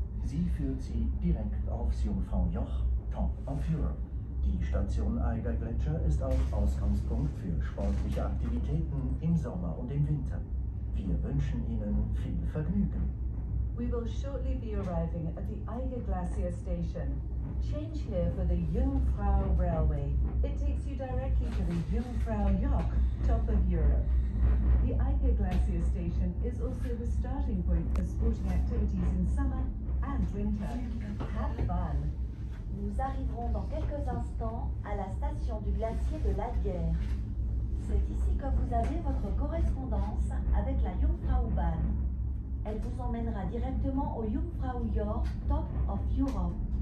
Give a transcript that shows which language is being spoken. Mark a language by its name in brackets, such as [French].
[German] Sie führt Sie direkt aufs Jungfraujoch, Top of Europe. Die Station Eiger Gletscher ist auch Ausgangspunkt für sportliche Aktivitäten im Sommer und im Winter. Wir wünschen Ihnen viel Vergnügen. [English] We will shortly be arriving at the Eiger Glacier Station. Change here for the Jungfrau Railway. It takes you directly to the Jungfraujoch, top of Europe. The Eiger Glacier Station is also the starting point for sporting activities in summer and winter. Have fun! [French] Nous arriverons dans quelques instants à la station du glacier de l'Alguer. C'est ici que vous avez votre correspondance avec la Jungfraubahn. Elle vous emmènera directement au Jungfraujoch, top of Europe.